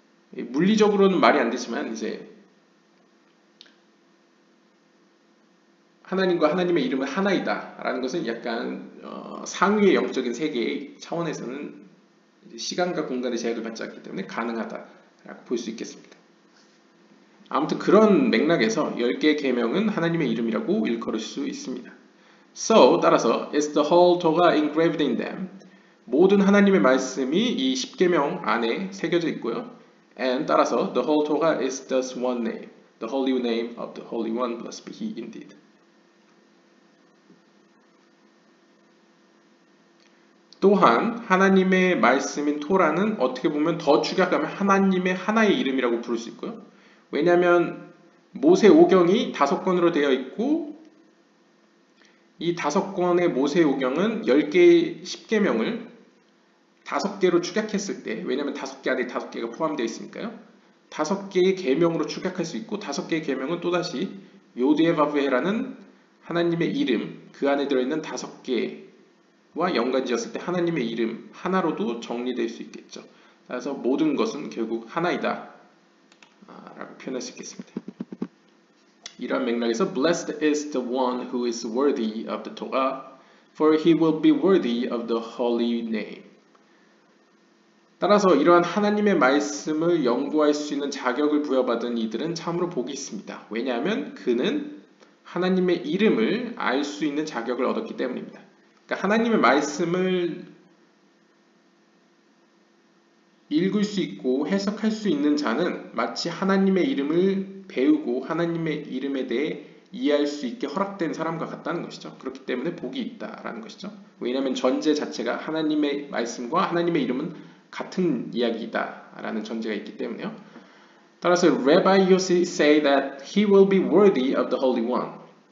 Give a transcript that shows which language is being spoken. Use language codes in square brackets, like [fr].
[ko] 물리적으로는 말이 안 되지만 이제 하나님과 하나님의 이름은 하나이다 라는 것은 약간 상위의 영적인 세계의 차원에서는 이제 시간과 공간의 제약을 받지 않기 때문에 가능하다 라고 볼 수 있겠습니다. 아무튼 그런 맥락에서 10개의 계명은 하나님의 이름이라고 일컬을 수 있습니다. [en] So, [ko] 따라서 [en] Is the whole Torah engraved in them? [ko] 모든 하나님의 말씀이 이 십계명 안에 새겨져 있고요. [en] And [ko] 따라서 [en] The whole Torah is thus one name. The holy name of the Holy One, blessed be He indeed. [ko] 또한 하나님의 말씀인 토라는 어떻게 보면 더 축약하면 하나님의 하나의 이름이라고 부를 수 있고요. 왜냐하면 모세오경이 5권으로 되어 있고 이 5권의 모세오경은 10개의 십계명을 5개로 축약했을 때 왜냐하면 5개 안에 5개가 포함되어 있으니까요. 5개의 계명으로 축약할 수 있고 5개의 계명은 또다시 요데바브에라는 하나님의 이름 그 안에 들어있는 5개의 와 연관지었을 때 하나님의 이름 하나로도 정리될 수 있겠죠. 그래서 모든 것은 결국 하나이다 라고 표현할 수 있겠습니다. 이러한 맥락에서 [en] Blessed is the one who is worthy of the Torah, for he will be worthy of the holy name. [ko] 따라서 이러한 하나님의 말씀을 연구할 수 있는 자격을 부여받은 이들은 참으로 복이 있습니다. 왜냐하면 그는 하나님의 이름을 알 수 있는 자격을 얻었기 때문입니다. 그러니까 하나님의 말씀을 읽을 수 있고 해석할 수 있는 자는 마치 하나님의 이름을 배우고 하나님의 이름에 대해 이해할 수 있게 허락된 사람과 같다는 것이죠. 그렇기 때문에 복이 있다라는 것이죠. 왜냐하면 전제 자체가 하나님의 말씀과 하나님의 이름은 같은 이야기다라는 전제가 있기 때문에요. 따라서 [en] Rabbi Yossi say that he will be worthy of the Holy One.